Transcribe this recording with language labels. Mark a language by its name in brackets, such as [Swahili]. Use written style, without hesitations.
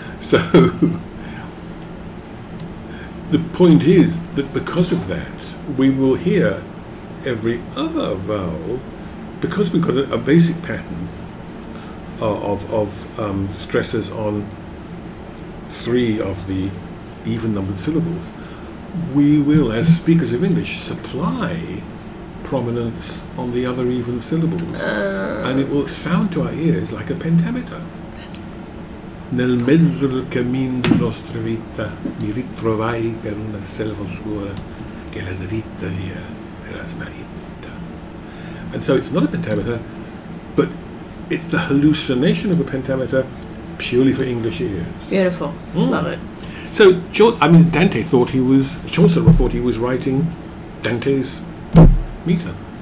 [English] So, the point is that because of that, we will hear every other vowel, because we've got a basic pattern of stresses on three of the even-numbered syllables, we will, as speakers of English, supply prominence on the other even syllables. And it will sound to our ears like a pentameter. [Italian] Nel mezzo del cammin di nostra vita mi ritrovai per una selva oscura che la dritta via era smarrita. [English] And so it's not a pentameter, but it's the hallucination of a pentameter purely for English ears. Beautiful. Love it. So, Dante thought he was, Chaucer thought he was writing Dante's meter.